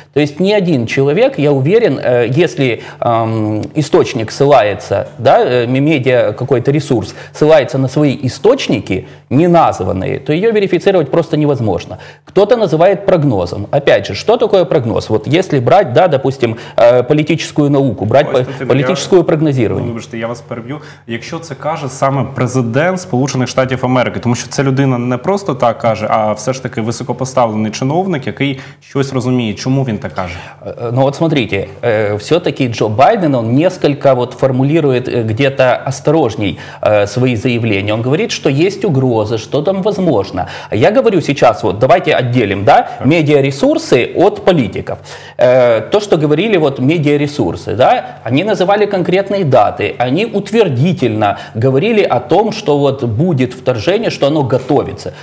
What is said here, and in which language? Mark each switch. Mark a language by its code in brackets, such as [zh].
[ru] То есть ни один человек, я уверен, если источник ссылается, да, медиа какой-то ресурс ссылается на свои источники, не названные, то ее верифицировать просто невозможно. Кто-то называет прогнозом. Опять же, что такое прогноз? Вот если брать, да, допустим, политическую науку, брать политическое прогнозирование. [uk] Вибачте, я вас перебью. Якщо це каже саме президент Сполучених Штатів Америки, тому що ця людина не просто так каже, а все ж таки високопоставлена не чиновник, який щось розуміє, чому він так каже. [ru] Ну от смотрите, все-таки Джо Байден, он несколько вот формулирует где-то осторожней свои заявления. Он говорит, что есть угрозы, что там возможно. А я говорю сейчас вот, давайте отделим, да, медиаресурсы от политиков. То, что говорили вот медиаресурсы, да, они называли конкретные даты, они утвердительно говорили о том, что вот будет вторжение, что оно готовится.